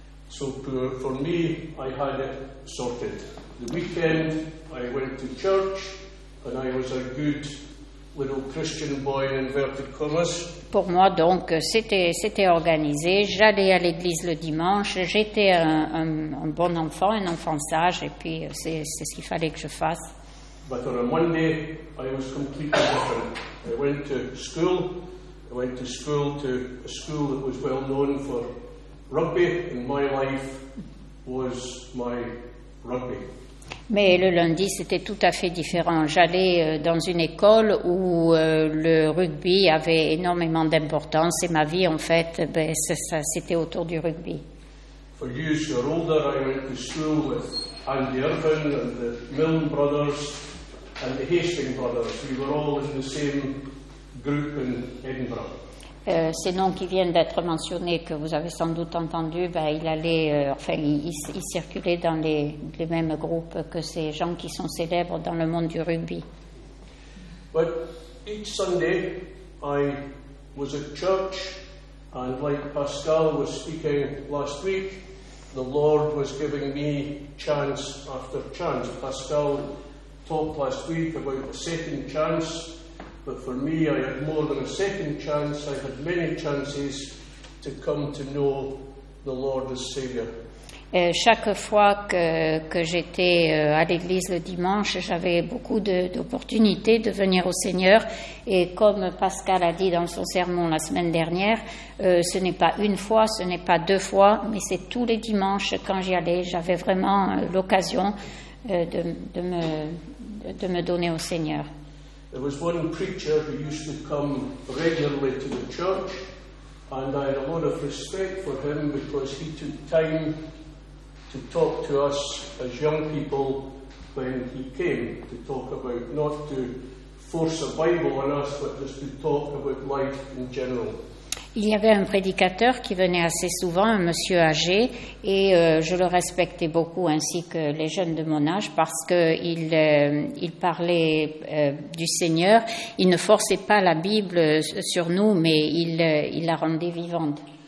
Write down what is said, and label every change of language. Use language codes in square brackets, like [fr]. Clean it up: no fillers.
[en] So for me, I had it sorted. The weekend, I went to church, and I was a good little Christian boy in inverted commas. [fr] Pour moi, donc, c'était organisé. J'allais à l'église le dimanche. J'étais un bon enfant, un enfant sage, et puis c'est ce qu'il fallait que je fasse. [en] But on a Monday, I was completely different. I went to school. I went to school to a school that was well known for rugby, and my life was my rugby. [fr] Mais le lundi, c'était tout à fait différent. J'allais dans une école où le rugby avait énormément d'importance et ma vie, en fait, ben, c'était autour du rugby. [en] For years, you're older, I went to school with Andy Irvine and the Milne brothers and the Hastings brothers. We were all in the same group in Edinburgh. [fr] Ces noms qui viennent d'être mentionnés, que vous avez sans doute entendu, ben, il circulait dans les mêmes groupes que ces gens qui sont célèbres dans le monde du rugby. [en] But each Sunday, I was at church, and like Pascal was speaking last week, the Lord was giving me chance after chance. Pascal talked last week about the second chance, but for me I had more than a second chance, I had many chances to come to know the Lord as Savior. [fr] Chaque fois que j'étais à l'église le dimanche, j'avais beaucoup d'opportunités de venir au Seigneur. Et comme Pascal a dit dans son sermon la semaine dernière, ce n'est pas une fois, ce n'est pas deux fois, mais c'est tous les dimanches quand j'y allais. J'avais vraiment l'occasion de me donner au Seigneur. [en] There was one preacher who used to come regularly to the church, and I had a lot of respect for him because he took time to talk to us as young people when he came, to talk about, not to force a Bible on us, but just to talk about life in general. [fr] Il y avait un prédicateur qui venait assez souvent, un monsieur âgé, et je le respectais beaucoup, ainsi que les jeunes de mon âge, parce qu'il il parlait du Seigneur. Il ne forçait pas la Bible sur nous, mais il la rendait vivante.